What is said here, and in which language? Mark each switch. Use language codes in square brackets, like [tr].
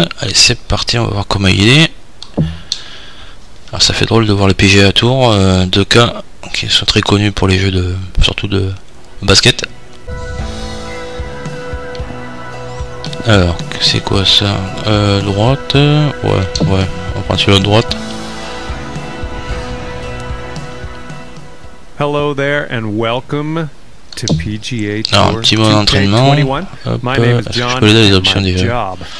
[fr] Allez, c'est parti, on va voir comment il est. Alors, ça fait drôle de voir le PGA Tour 2K qui sont très connus pour les jeux de surtout de basket. Alors, c'est quoi ça? Droite, ouais, on prend sur la droite. [en] Hello there and welcome. [fr] Alors, un petit bon entraînement. Hop, est-ce que je peux donner les options déjà?